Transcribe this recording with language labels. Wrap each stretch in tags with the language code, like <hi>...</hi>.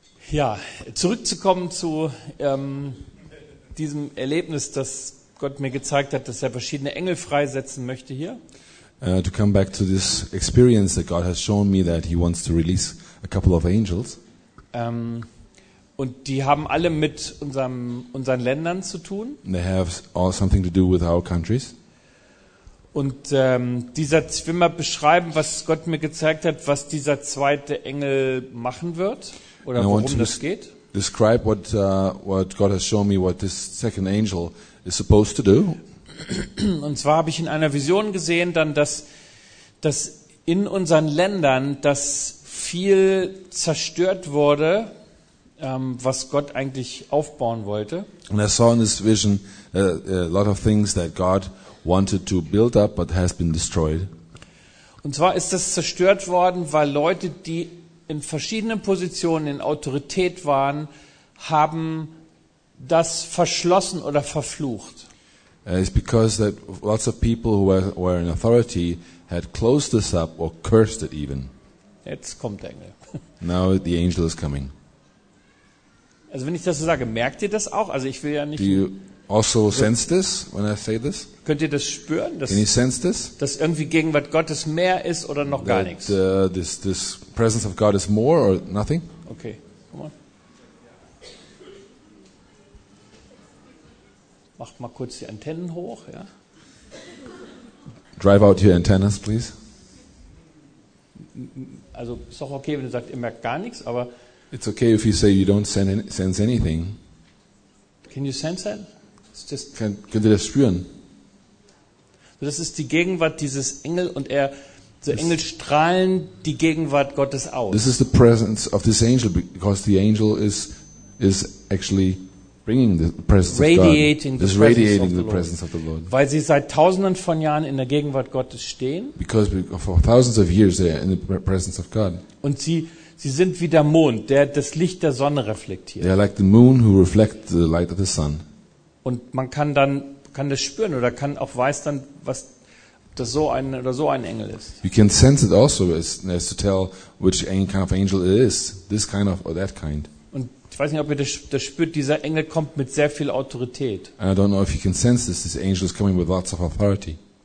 <de>Ja, zurückzukommen zu diesem Erlebnis, das Gott mir gezeigt hat, dass er verschiedene Engel freisetzen möchte hier.</de> <en>To come back to this experience that God has shown me that he wants to release a couple of angels.</en> <de>Und die haben alle mit unseren Ländern zu tun.</de> <en>And they have all something to do with our countries.</en> <de>Und dieser, ich will mal beschreiben, was Gott mir gezeigt hat, was dieser zweite Engel machen wird. Oder worum das geht?</de> <en>Describe what God has shown me what this second angel is supposed to do.</en> <de>Und zwar habe ich in einer Vision gesehen, dann dass in unseren Ländern das viel zerstört wurde, was Gott eigentlich aufbauen wollte.</de> <en>And I saw in this vision a lot of things that God wanted to build up but has been destroyed.</en> <de>Und zwar ist das zerstört worden, weil Leute, die in verschiedenen Positionen in Autorität waren, haben das verschlossen oder verflucht.</de> <en>It's because that lots of people who were in authority had closed this up or cursed it even.</en> <de>Jetzt kommt der Engel.</de> <en>Now the angel is coming.</en> <de>Also wenn ich das so sage, merkt ihr das auch? Also ich will ja nicht.</de> <en>Do you also sense this when I say this?</en> <de>Könnt ihr das spüren, dass,</de> <en>can you sense this?</en> <de>Dass irgendwie Gegenwart Gottes mehr ist oder noch gar nichts?</de> <en>This presence of God is more or nothing? Okay, come on.</en> <de>Macht mal kurz die Antennen hoch, ja?</de> <en>Drive out your antennas, please.</en> <de>Also ist doch okay, wenn ihr sagt, ihr merkt gar nichts, aber</de> <en>it's okay if you say you don't sense anything. Can you sense that? It's just</en> <de>könnt ihr das spüren? Das ist die Gegenwart dieses Engel und er, der Engel strahlen die Gegenwart Gottes aus.</de> <en>This is the presence of this angel because the angel is actually bringing the presence radiating of God. The radiating the presence of the Lord.</en> <de>Weil sie seit tausenden von Jahren in der Gegenwart Gottes stehen.</de> <en>Because for thousands of years they are in the presence of God.</en> <de>Und sie sind wie der Mond, der das Licht der Sonne reflektiert.</de> <en>They are like the moon who reflect the light of the sun.</en> <de>Und man kann das spüren oder kann auch weiß dann, was das so ein oder so ein Engel ist.</de> <en>You can sense it also as to tell which kind of angel it is, this kind of or that kind.</en> <de>Und ich weiß nicht, ob ihr das spürt, dieser Engel kommt mit sehr viel Autorität.</de> <en>And I don't know if you can sense this angel is coming with lots of authority.</en>